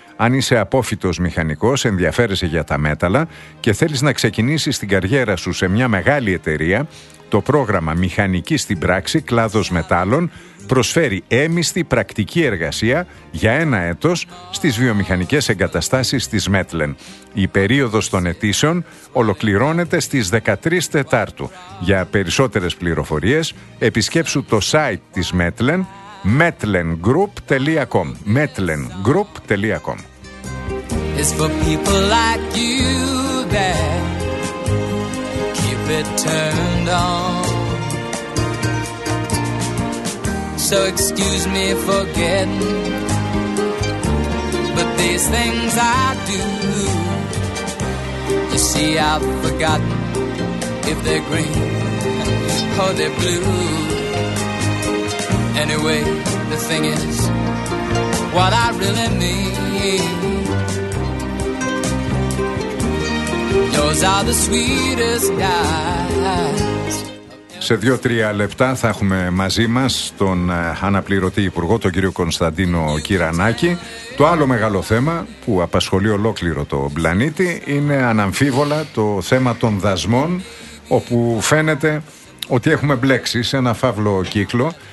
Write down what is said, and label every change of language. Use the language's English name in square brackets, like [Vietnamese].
[Greek] Αν είσαι απόφυτος μηχανικός, ενδιαφέρεσαι για τα μέταλλα και θέλεις να ξεκινήσεις την καριέρα σου σε μια μεγάλη εταιρεία, το πρόγραμμα Μηχανική στην Πράξη, κλάδος μετάλλων, προσφέρει έμιστη πρακτική εργασία για ένα έτος στις βιομηχανικές εγκαταστάσεις της Metlen. Η περίοδος των αιτήσεων ολοκληρώνεται στις 13 Τετάρτου. Για περισσότερες πληροφορίες, επισκέψου το site της Metlen, metlengroup.com. metlengroup.com. [English] It's for people like you that keep it turned on. So excuse me for getting, but these things I do, you see I've forgotten if they're green or they're blue. Anyway, the thing is, what I really mean, those are the sweetest eyes. [Greek] Σε 2-3 λεπτά θα έχουμε μαζί μας τον αναπληρωτή υπουργό, τον κύριο Κωνσταντίνο Κυρανάκη. Το άλλο μεγάλο θέμα που απασχολεί ολόκληρο το πλανήτη είναι αναμφίβολα το θέμα των δασμών, όπου φαίνεται ότι έχουμε μπλέξει σε ένα φαύλο κύκλο.